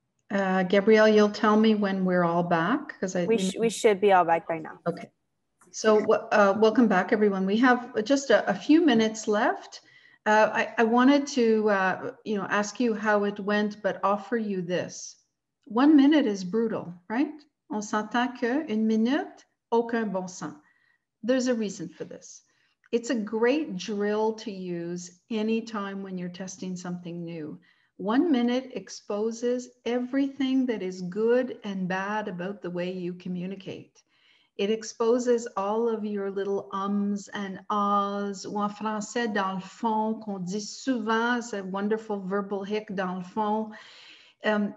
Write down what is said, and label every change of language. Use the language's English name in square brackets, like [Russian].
[English] Gabrielle, you'll tell me when we're all back, because we should be all back by now. Okay. So welcome back, everyone. We have just a few minutes left. I wanted to ask you how it went, but offer you this. 1 minute is brutal, right? [French] On s'entend que une minute, aucun bon sens. [English] There's a reason for this. It's a great drill to use anytime when you're testing something new. 1 minute exposes everything that is good and bad about the way you communicate. It exposes all of your little ums and ahs, [French] ou en français, dans le fond, qu'on dit souvent, [English] it's a wonderful verbal hic, [French] dans le fond.